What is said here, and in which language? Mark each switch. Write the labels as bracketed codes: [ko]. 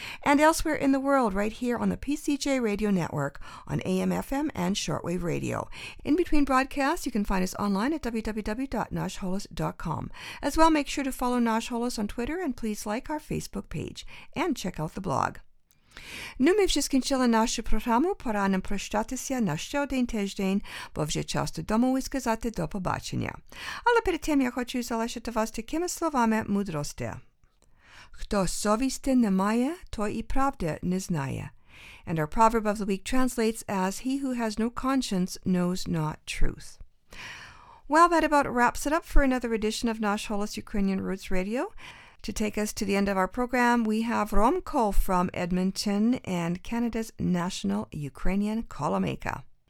[en] And elsewhere in the world, right here on the PCJ Radio Network on AM, FM, and shortwave radio. In between broadcasts, you can find us online at www.nashholos.com. As well, make sure to follow Nash Holos on Twitter and please like our Facebook page and check out the blog. [uk] Ну, ми вже скінчили нашу програму, пора нам прощатися на ще один тиждень, бо вже час додому і сказати до побачення. Але перед тим я хочу залишити вас такими словами мудрості. Хто совісті не має, той і правди не знає. [en] And our proverb of the week translates as, he who has no conscience knows not truth. Well, that about wraps it up for another edition of Nash Holos Ukrainian Roots Radio. To take us to the end of our program, we have Romko from Edmonton and Canada's National Ukrainian Kolomeika.